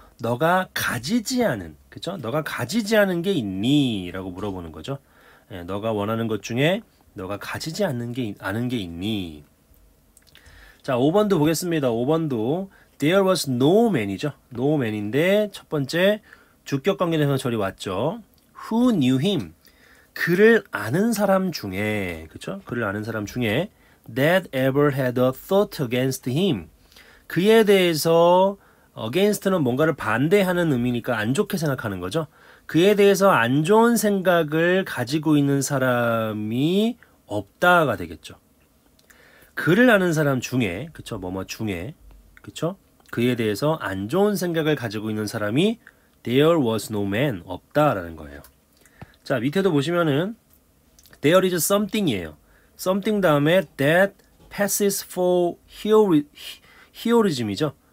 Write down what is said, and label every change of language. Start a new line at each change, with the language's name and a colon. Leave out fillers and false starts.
Korean: 너가 가지지 않은. 그쵸? 너가 가지지 않은 게 있니? 라고 물어보는 거죠. 예, 너가 원하는 것 중에 너가 가지지 않은 게 있니? 자, 5번도 보겠습니다. 5번도
English: There was no man이죠.
Korean: No man인데 첫 번째 주격 관계대명사 절이 왔죠.
English: Who knew him?
Korean: 그를 아는 사람 중에, 그쵸? 그를 아는 사람 중에
English: That ever had a thought against him.
Korean: 그에 대해서 against는 뭔가를 반대하는 의미니까 안 좋게 생각하는 거죠. 그에 대해서 안 좋은 생각을 가지고 있는 사람이 없다가 되겠죠. 그를 아는 사람 중에, 그쵸? 뭐뭐 중에, 그쵸? 그에 대해서 안 좋은 생각을 가지고 있는 사람이
English: There was no man,
Korean: 없다라는 거예요. 자, 밑에도 보시면은
English: There is something
Korean: 이에요.
English: Something
Korean: 다음에
English: that passes for heroism이죠.